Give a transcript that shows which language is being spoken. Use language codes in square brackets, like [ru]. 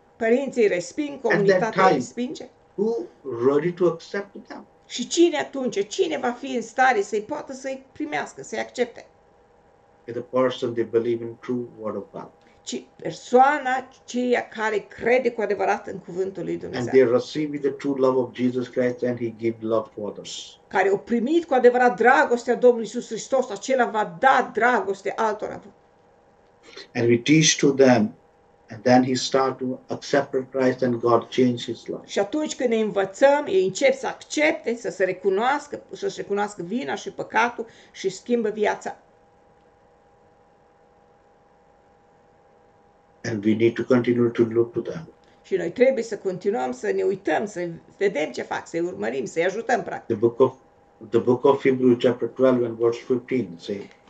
[ro] Părinții resping, comunitatea [en] time, [ro] respinge. [en] Who ready to accept them? [ro] Și cine atunci, cine va fi în stare să-i poată să-i primească, să-i accepte? [en] The person they believe in true word of God. [ro] ci persoana ceea care crede cu adevărat în cuvântul lui [en] And [ro] Dumnezeu. [en] they receive the true love of Jesus Christ and he gives love to others. [ro] Care a primit cu adevărat dragostea Domnului Iisus Hristos, acela va da dragoste altora. [en] And we teach to them and then he start to accept Christ and God changes his life. [ro] Și atunci când ne învățăm, ei încep să accepte, să se recunoască, să-și recunoască vina și păcatul și schimbă viața. [en] And we need to continue to look to them. [ro] Și noi trebuie să continuăm să ne uităm, să vedem ce fac, să-i urmărim, să-i ajutăm practic. [en] The book of Hebrews chapter 12 and verse 15 say.